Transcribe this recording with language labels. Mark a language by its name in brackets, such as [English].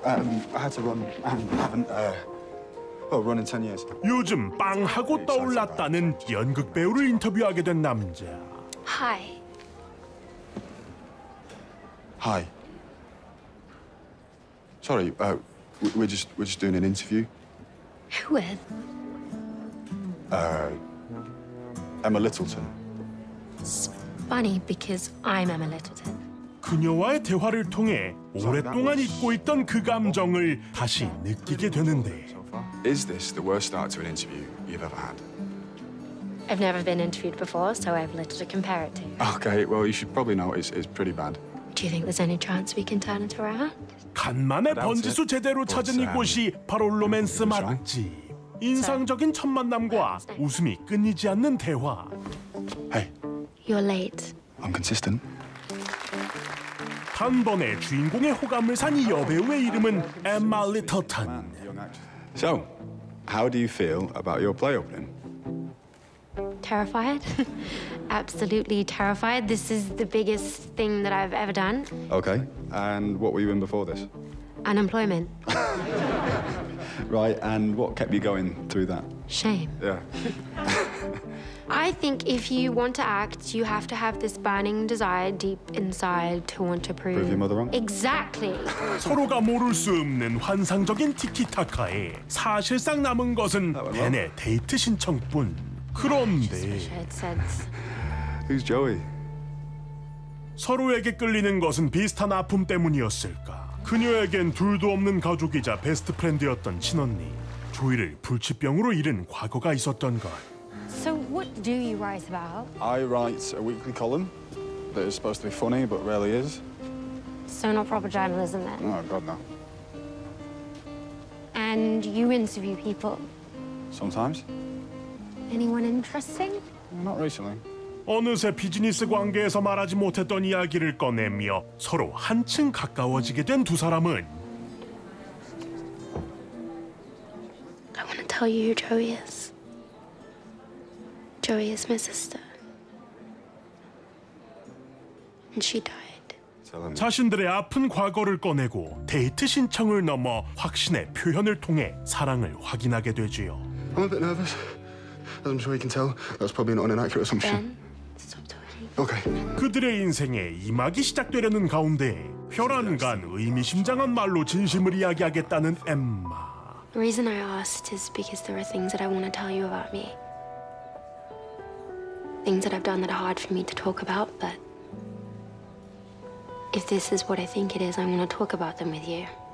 [English] I had to run and run in 10 years. [Korean] 요즘 빵 하고 떠올랐다는 연극 배우를 인터뷰하게 된 남자. [English] Hi. Hi. Sorry. We're just doing an interview. Who with? Emma Littleton. It's funny because I'm Emma Littleton. [Korean] 그녀와의 대화를 통해 오랫동안 잊고 있던 그 감정을 다시 느끼게 되는데. [English] Is this the worst start to an interview you've ever had? I've never been interviewed before, so I have little to compare it to. Okay, well, you should probably know it's pretty bad. Do you think there's any chance we can turn it around? [Korean] 간만에 번지수 제대로 찾은 이곳이 바로 로맨스 맛집. 인상적인 첫 만남과 웃음이 끊이지 않는 대화. [English] Hey. You're late. I'm consistent. [Korean] 한 번에 주인공의 호감을 산 이 여배우의 이름은 엠마 리터턴. [English] So, how do you feel about your play opening? Terrified. Absolutely terrified. This is the biggest thing that I've ever done. Okay. And what were you in before this? Unemployment. Right. And what kept you going through that? Shame. Yeah. I think if you want to act, you have to have this burning desire deep inside to want to prove your mother wrong. Exactly. [Korean] 서로가 모를 수 없는 환상적인 티키타카에 사실상 남은 것은 벤의 데이트 신청뿐. 그런데 [English] Who's Joey? [Korean] 서로에게 끌리는 것은 비슷한 아픔 때문이었을까? 그녀에겐 둘도 없는 가족이자 베스트 프렌드였던 친언니 조이를 불치병으로 잃은 과거가 있었던 걸. [English] So what do you write about? I write a weekly column that is supposed to be funny but rarely is. So not proper journalism then? No, God no. And you interview people? Sometimes. Anyone interesting? Not recently. [Korean] 어느새 비즈니스 관계에서 말하지 못했던 이야기를 꺼내며 서로 한층 가까워지게 된 두 사람은 [English] I want to tell you who Joey is. Joey is my sister. And she died. [Korean] 자신들의 아픈 과거를 꺼내고 데이트 신청을 넘어 확신의 표현을 통해 사랑을 확인하게 되지요. [English] I'm a bit nervous. As I'm sure you can tell, that's probably not an accurate assumption. Ben. Okay. [Korean] 그들의 인생에 이막이 시작되려는 가운데 혈안간 의미심장한 말로 진심을 이야기하겠다는 엠마. [English] The reason I asked is because there are things that I want to tell you about me. Things that I've done that are hard for me to talk about, but if this is what I think it is, I'm going to talk about them with you.